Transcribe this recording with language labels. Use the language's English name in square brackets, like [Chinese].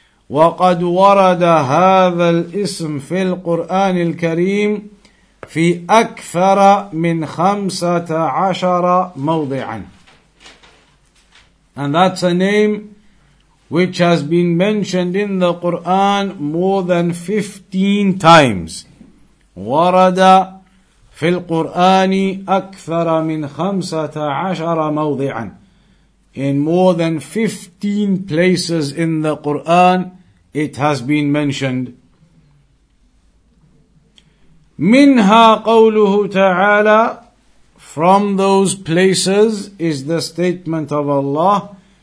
[Arabic] وَقَدْ وَرَدَ هَذَا الْإِسْمُ فِي الْقُرْآنِ الْكَرِيمِ في أكثر من 15 موضعا. [English] And that's a name which has been mentioned in the Quran more than 15 times. [Arabic] ورد في القرآن أكثر من 15 موضعا. [English] In more than 15 places in the Quran it has been mentioned. [Arabic] منها قوله تعالى, [English] from those places is the statement of Allah,